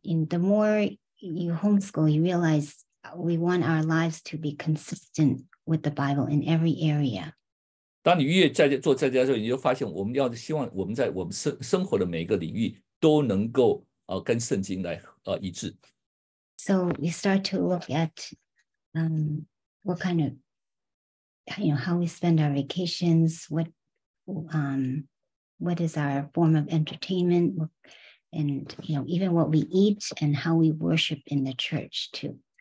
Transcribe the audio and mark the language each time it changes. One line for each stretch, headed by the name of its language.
English: in the more you homeschool, you realize we want our lives to be consistent with the Bible in every area.
Chinese: 当你越在家做在家教育，你就发现我们要希望我们在我们生活的每一个领域都能够。跟圣经来一致。
English: So we start to look at what kind of, you know, how we spend our vacations, what is our form of entertainment, and, you know, even what we eat and how we worship in the church too.